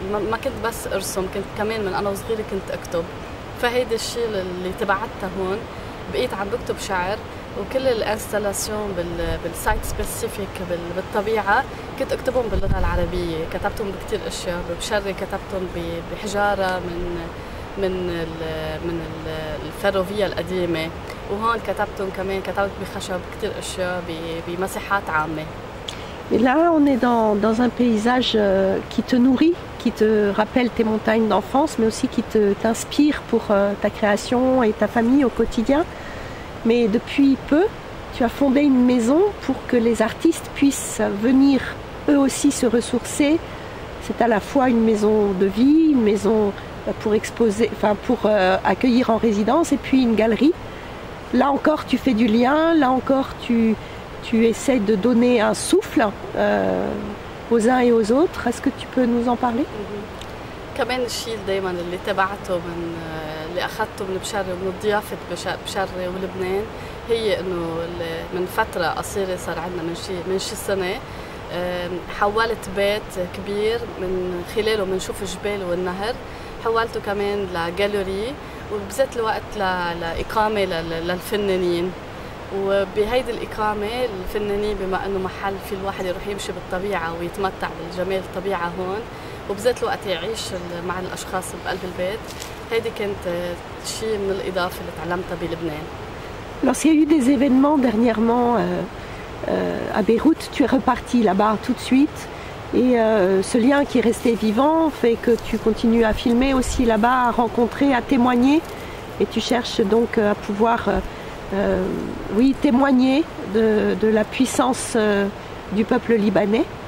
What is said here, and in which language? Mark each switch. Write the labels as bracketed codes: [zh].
[ar] ما كنت بس أرسم كنت كمان من أنا وصغيرة كنت أكتب فهيدا الشيء اللي تبعتها هون بقيت عم بكتب شعر وكل الانستالاسيون بالسايت سبيسيفيك بالطبيعة كنت أكتبهم باللغة العربية كتبتهم بكتير أشياء ببشري كتبتهم بحجارة من الفيروفيا القديمة وهون كتبتهم كمان كتبت بخشب كتير أشياء بمساحات عامة. [fr] Et là, on est dans un paysage qui te nourrit, qui te rappelle tes montagnes d'enfance, mais aussi qui t'inspire pour ta création et ta famille au quotidien. Mais depuis peu, tu as fondé une maison pour que les artistes puissent venir eux aussi se ressourcer. C'est à la fois une maison de vie, une maison pour exposer, enfin pour accueillir en résidence, et puis une galerie. Là encore, tu fais du lien, là encore, tu essaies de donner un souffle aux uns et aux autres. Est-ce que tu peux nous en parler? [ar] كمان الشيء دائما اللي تبعته من اللي اخذته من بشري ومن ضيافه بشري ولبنان هي انه من فتره قصيره صار عندنا من شي سنه حولت بيت كبير من خلاله بنشوف الجبال والنهر حولته كمان لجاليري وبذات الوقت لاقامه للفنانين وبهيدي الاقامه الفنانين بما انه محل في الواحد يروح يمشي بالطبيعه ويتمتع بالجمال الطبيعه هون وبذات الوقت يعيش مع الاشخاص بقلب البيت هيدي كانت شيء من الاضافه اللي تعلمتها بلبنان. [fr] Lorsqu'il y a eu des événements dernièrement à Beyrouth, tu es reparti là-bas tout de suite et ce lien qui est resté vivant fait que tu continues à filmer aussi là-bas, à rencontrer, à témoigner et tu cherches donc à pouvoir témoigner de la puissance du peuple libanais.